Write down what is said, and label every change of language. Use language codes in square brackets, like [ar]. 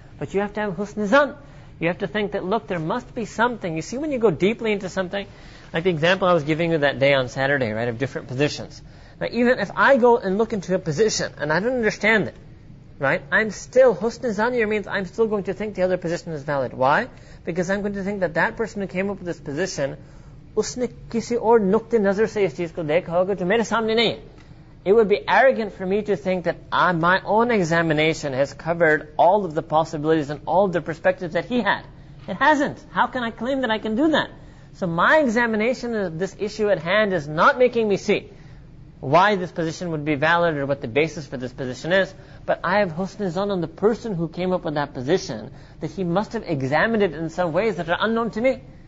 [en] But you have to have husna zan. You have to think that, look, there must be something. You see, when you go deeply into something, like the example I was giving you that day on Saturday, right, of different positions. Now, even if I go and look into a position and I don't understand it, right? I'm still, husna zaniyah means I'm still going to think the other position is valid. Why? Because I'm going to think that that person who came up with this position, [ur] اس نے کسی اور نقطہ نظر سے اس چیز کو دیکھا ہوگا جو میرے سامنے نہیں ہے۔ [en] It would be arrogant for me to think that my own examination has covered all of the possibilities and all of the perspectives that he had. It hasn't. How can I claim that I can do that? So my examination of this issue at hand is not making me see why this position would be valid or what the basis for this position is, but I have husna zan on the person who came up with that position, that he must have examined it in some ways that are unknown to me.